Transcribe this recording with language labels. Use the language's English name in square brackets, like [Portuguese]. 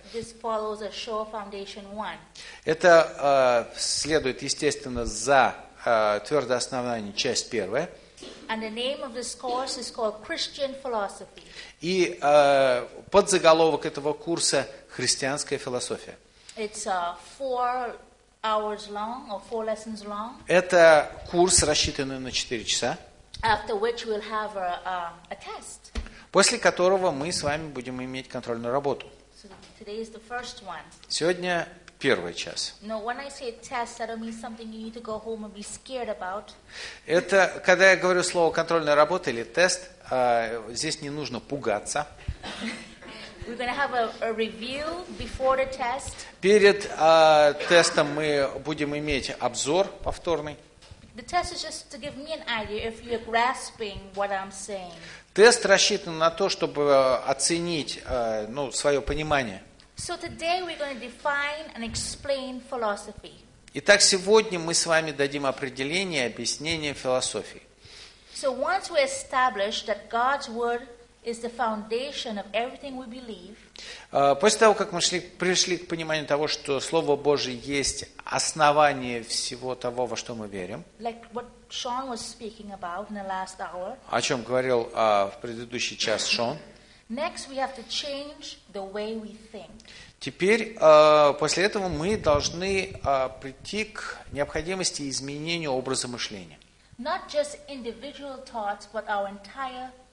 [English] This follows a sure foundation one. [Russian] Это следует, естественно, за «Твердое основание», часть первая. [English] And the name of this course is called Christian philosophy. [Russian] И подзаголовок этого курса «Христианская философия». [English] It's four hours long or four lessons long. [Russian] Это курс, рассчитанный на 4 часа. [English] After which we'll have a test. [Russian] После которого мы с вами будем иметь контрольную работу. [English] So today is the first one. [Russian] Сегодня первый час. [English] No, when I say test, I don't mean something you need to go home and be scared about. [Russian] Это когда я говорю слово контрольная работа или тест, здесь не нужно пугаться. [English] We're going to have a review before the test. [Russian] Перед тестом мы будем иметь обзор повторный. [English] The test is just to give me an idea if you're grasping what I'm saying. [Russian] Тест рассчитан на то, чтобы оценить свое понимание. [English] So today we're going to define and explain philosophy. [Russian] Итак, сегодня мы с вами дадим определение, объяснение философии. [English] So once we establish that God's word is the foundation of everything we believe. [Russian] После того, как мы пришли к пониманию того, что Слово Божие есть основание всего того, во что мы верим. [English] Like what Sean was speaking about in the last hour. [Russian] О чем говорил в предыдущий час Шон. [English] Next we have to change the way we think. [Russian] Теперь после этого мы должны прийти к необходимости изменения образа мышления. [English] Not just individual thoughts, but our entire